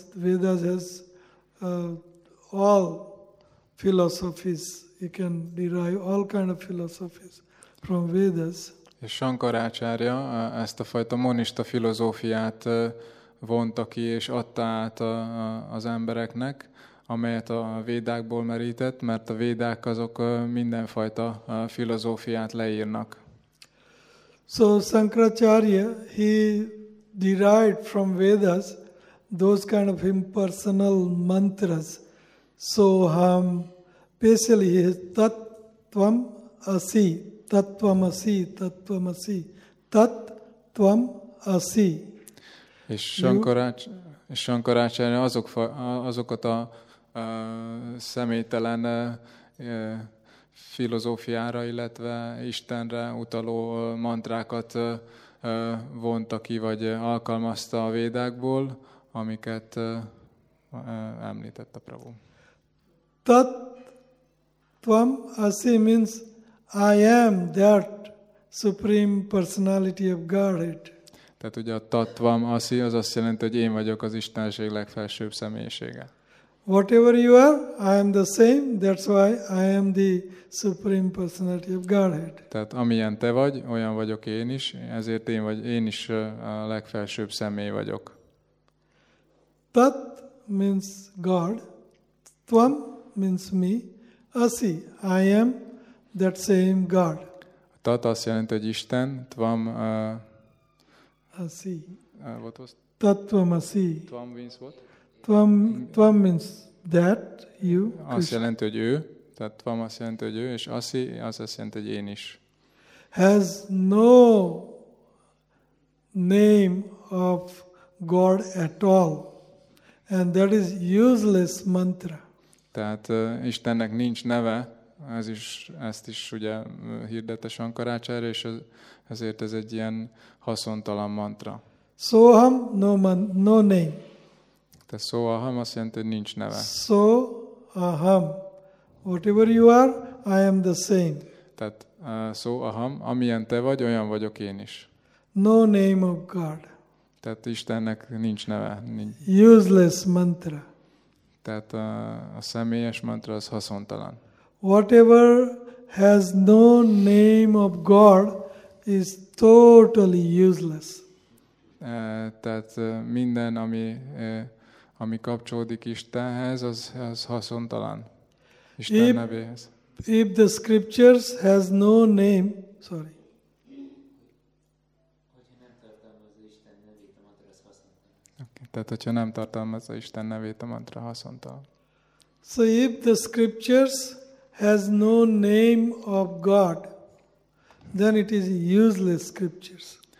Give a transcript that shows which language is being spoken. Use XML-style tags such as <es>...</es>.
<en>Vedas has all philosophies. You can derive all kind of philosophies from Vedas.</en> <hu>És Sankaracharya ezt a fajta monista filozófiát vonta ki és adta át az embereknek, amelyet a védákból merített, mert a védák azok mindenfajta filozófiát leírnak.</hu> <en>So Sankaracharya, he derived from Vedas those kind of impersonal mantras. So basically he is tattvam asi, tattvam asi, tattvam asi, tattvam asi.</en> <hu>És Sankaracharya azokat a személytelen filozófiára, illetve Istenre utaló mantrákat vonta ki, vagy alkalmazta a védákból, amiket említett a Prabhu.</hu> <en>Tat tvam asi means I am that supreme personality of Godhead.</en> <hu>Tehát ugye a tattvam asi az azt jelenti, hogy én vagyok az Istenség legfelsőbb személyisége.</hu> <en>Whatever you are, I am the same, that's why I am the supreme personality of Godhead.</en> <hu>Tehát amilyen te vagy, olyan vagyok én is, ezért én is a legfelsőbb személy vagyok.</hu> <en>Tat means God, Tvam means me, Asi, I am that same God.</en> <hu>Tat azt jelenti, hogy Isten, Tvam...</hu> <sa>Asi.</sa> <en>What was?</en> <sa>Tat Tvam Asi.</sa> <en>Tvam means what? Tvam means that, you, Krishna.</en> <hu>Azt jelenti, hogy ő, tehát Tvam azt jelenti, hogy ő, és Asi az azt jelenti, hogy én is.</hu> <en>Has no name of God at all. And that is useless mantra.</en> <hu>Tehát Istennek nincs neve, ezt is ugye hirdette Sankaráchárya, és ezért ez egy ilyen haszontalan mantra.</hu> <en>Soham, no name.</en> <hu>Te soham azt jelenti, hogy nincs neve.</hu> <sa>Soham.</sa> <en>Whatever you are, I am the same.</en> <hu>Tehát soham, amilyen te vagy, olyan vagyok én is.</hu> <en>No name of God.</en> <hu>Tehát Istennek nincs neve.</hu> <en>Useless mantra.</en> <hu>Tehát a személyes mantra az haszontalan.</hu> <en>Whatever has no name of God is totally useless.</en> <hu>Tehát minden, ami kapcsolódik Istenhez, az haszontalan. Isten nevéhez.</hu> <en>If the scriptures has no name, sorry.</en> <hu>Tehát, hogyha nem tartalmazza Isten nevét, a mantra haszontalan.</hu> <en>So if the scriptures has no name of God, then it is useless scriptures.</en>